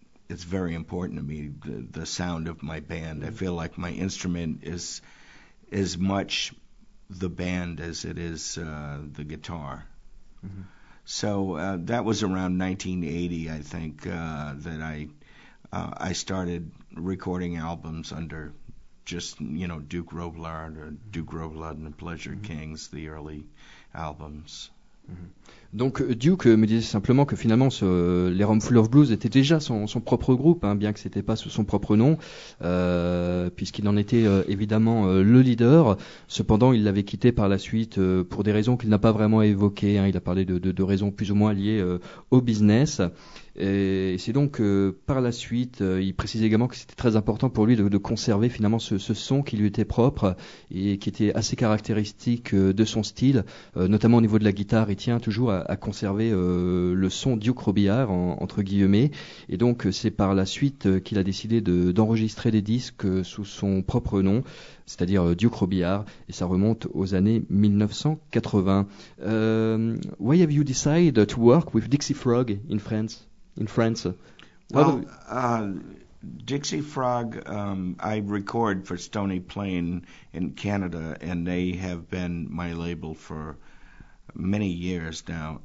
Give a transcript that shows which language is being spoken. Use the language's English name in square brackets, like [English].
[English] It's very important to me, the sound of my band. Mm-hmm. I feel like my instrument is as much the band as it is the guitar. Mm-hmm. So that was around 1980, I think, that I started recording albums under just, you know, Duke Robillard or Duke Robillard and the Pleasure mm-hmm. Kings, the early albums. [French] Donc Duke me disait simplement que finalement les Roomful of Blues étaient déjà son propre groupe, hein, bien que c'était pas sous son propre nom, puisqu'il en était évidemment le leader. Cependant, il l'avait quitté par la suite pour des raisons qu'il n'a pas vraiment évoquées. Hein, il a parlé de raisons plus ou moins liées au business. Et c'est donc par la suite, il précise également que c'était très important pour lui de conserver finalement ce son qui lui était propre et qui était assez caractéristique de son style, notamment au niveau de la guitare. Il tient toujours à conserver le son Duke Robillard, entre guillemets. Et donc c'est par la suite qu'il a décidé d'enregistrer des disques sous son propre nom, c'est-à-dire Duke Robillard, et ça remonte aux années 1980. [English] Why have you decided to work with Dixie Frog in France? Well, Dixie Frog, I record for Stony Plain in Canada, and they have been my label for many years now.